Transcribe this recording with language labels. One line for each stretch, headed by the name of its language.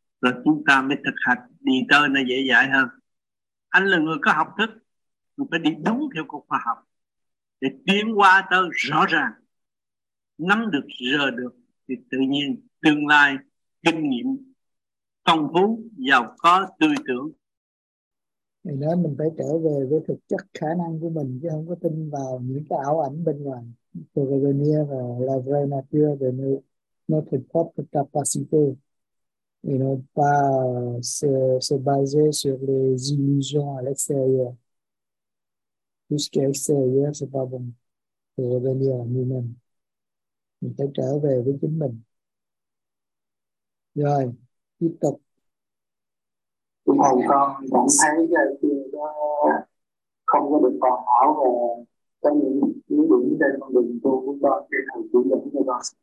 Vietnamese: Rồi chúng ta mới thực hành, đi tới nó dễ dãi hơn. Anh là người có học thức, mình phải đi đúng theo cuộc khoa học để tiến qua tới rõ ràng. Nắm được, giờ được, thì tự nhiên tương lai, kinh nghiệm phong phú, giàu có tư tưởng. Thì nói mình phải trở về với thực chất khả năng của mình, chứ không có tin vào những cái ảo ảnh bên ngoài.
French: Pour revenir à la vraie nature de notre propre capacité. Et non pas se baser sur les illusions à l'extérieur. Tout ce qui est extérieur, c'est pas bon. Pour revenir à nous-mêmes.
Vietnamese: Mình phải trở về với chính mình. Rồi. Tiếp tục. Thầy, con vẫn thấy cái điều đó không có được còn ảo về cái những điểm trên con đường tu của con, cái thầy chủ dẫn cho con.